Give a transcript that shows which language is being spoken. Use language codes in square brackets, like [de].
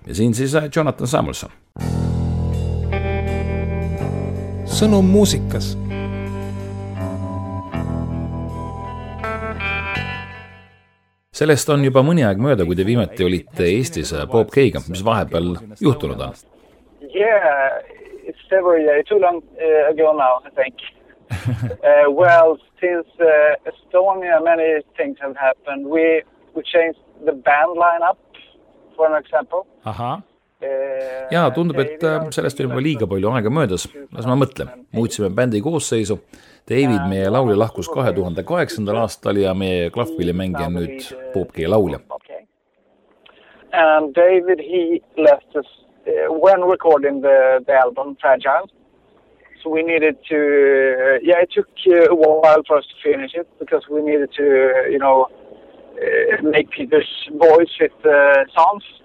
[et] Ja siin siis Jonathan Samuelson. Sõnum muusikas. Sellest on juba mõni aeg mööda, kui te viimati olite Eestis Bob K-ga, mis vahepeal juhtunud on. [en] Yeah, several years, too long ago now, I think. Well, since Estonia, many things have happened. We changed the band lineup, for an example. [et] Aha. Jaa, tundub, et sellest on juba liiga palju aega möödas. Las ma mõtlen. Muutsime bändi koosseisu. David, meie laulja lahkus 2008. aastal ja meie klahvpilli mängija nüüd Bob K. laulja. [en] And David, he left us when recording the album Fragile. So we needed to, yeah, it took a while for us to finish it because we needed to, you know, make Peter's voice with the songs.